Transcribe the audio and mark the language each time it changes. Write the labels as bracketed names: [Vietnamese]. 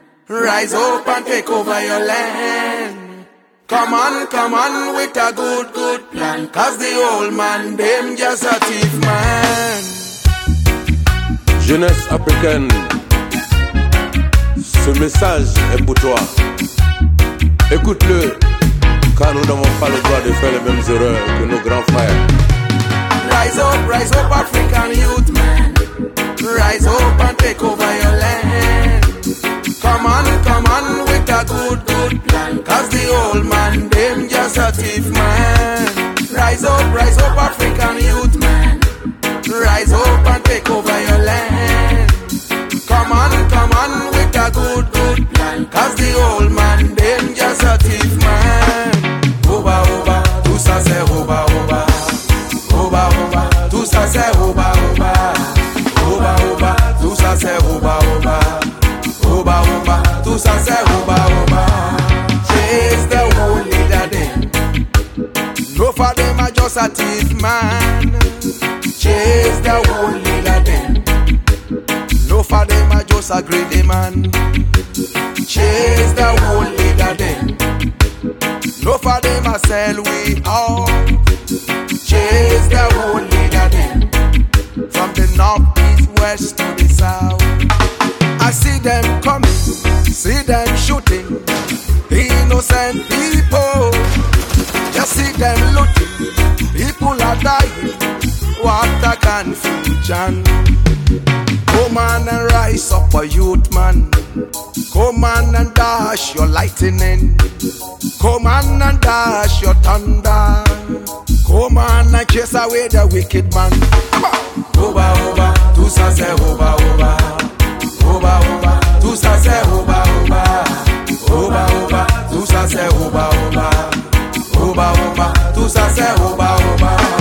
[English] Rise up and take over your land. Come on with a good, good plan. Cause the old man, them just a thief man. [French] Jeunesse africaine, ce message est pour toi. Écoute-le, car nous n'avons pas le droit de faire les mêmes erreurs que nos grands frères. [English] Rise up African youth man. Rise up and take over your land. Come on with a good, good plan. Cause the old man, them just a thief man. Rise up African youth man. Rise up and take over your land. Come on with a good, good plan. Cause the old man, them just a thief man. [French] Oba, oba, tout ça c'est oba, oba. Oba, oba, tout ça c'est oba, oba. Oba, oba, tout ça c'est oba, oba. Oba, oba, tout ça c'est oba, oba. [English] Chase the old leader then. No for them a just a thief man. Chase the old leader then. No for them a just a greedy man. Chase the old leader then. No for them a sell we out. Chase the old leader then. From the north, east, west to the south. I see them coming, see them shooting innocent people. Just see them looting, people are dying. What a confusion. Come on and rise up a youth man. Come on and dash your lightning. Come on and dash your thunder. Come on and chase away the wicked man. [French] Oba oba, tout ça c'est oba oba. Oba oba, tout ça c'est oba oba. Oba oba, tout ça c'est oba oba. Oba oba, tout ça c'est oba oba.